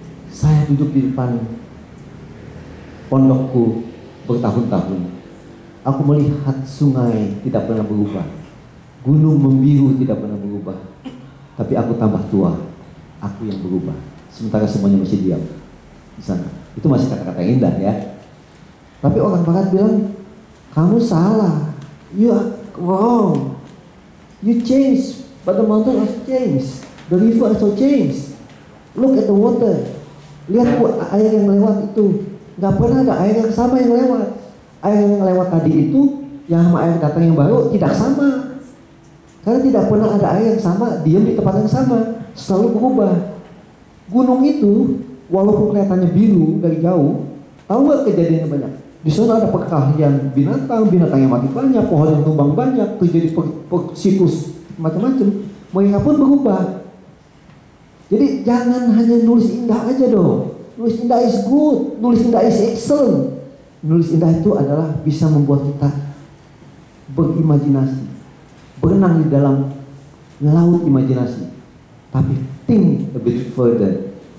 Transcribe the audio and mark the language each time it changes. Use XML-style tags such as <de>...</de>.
<id>Saya duduk di depan pondokku bertahun-tahun. Aku melihat sungai tidak pernah berubah, gunung membiru tidak pernah berubah, tapi aku tambah tua, aku yang berubah. Sementara semuanya masih diam di sana. Itu masih kata-kata yang indah ya. Tapi orang barat bilang, kamu salah,</id> <en>you are wrong, you change, but the mountain has changed, the river also changed. Look at the water,</en> <id>lihat air yang lewat itu, nggak pernah ada air yang sama yang lewat. Air yang lewat tadi itu, yang sama air datang yang baru, tidak sama. Karena tidak pernah ada air yang sama, diam di tempat yang sama. Selalu berubah. Gunung itu, walaupun kelihatannya biru dari jauh, tahu gak kejadiannya banyak? Di sana ada perkelahian binatang, binatang yang mati banyak, pohon yang tumbang banyak, terjadi siklus macam-macam. Mereka pun berubah. Jadi jangan hanya nulis indah aja dong. Nulis indah</id> <en>is good,</en> <id>nulis indah</id> <en>is excellent.</en> <id>Nulis indah itu adalah bisa membuat kita berimajinasi, berenang di dalam laut imajinasi.</id> <en>Tapi think a bit further.</en>